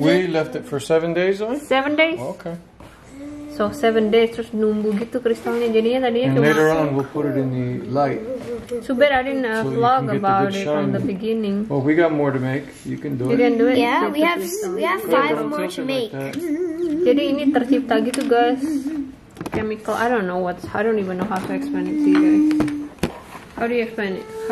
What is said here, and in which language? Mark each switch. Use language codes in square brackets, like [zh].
[en] We left it for 7 days, right? 7 days. Okay. So 7 days [id] terus nunggu gitu kristalnya. Jadinya tadinya cuma. [en] Later on we'll put it in the light. So bet I didn't vlog about it from the beginning. Well, we got more to make. You can do it. You can do it. Yeah, we have 5 more to make. Like [id] jadi ini tercipta gitu, guys. [en] Chemical, I don't even know how to explain it to you guys. How do you explain it?